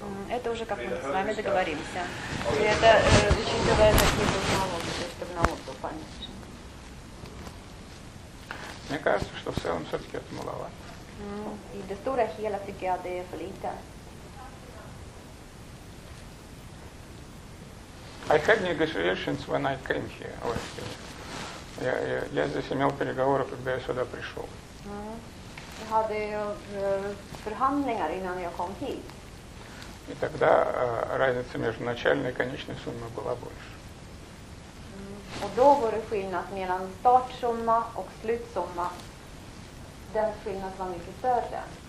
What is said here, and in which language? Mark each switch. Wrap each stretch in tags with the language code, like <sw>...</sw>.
<ru>Это уже как мы с вами договоримся. И это учитывая такие вот налоги, чтобы налог был поменьше. Мне кажется, что в целом все-таки это маловато.</ru> <sv>I det stora hela tycker jag det är för lite.</sv> <en>I had negotiations when I came here.</en> <ru>Я здесь имел переговоры, когда я сюда пришел.</ru> <sv>Jag hade förhandlingar innan jag kom hit.</sv> <ru>И тогда разница между начальной и конечной суммой была больше.</ru> <sv>Och då var det skillnad mellan startsumma och slutsumma. Den skillnaden var mycket större.</sv>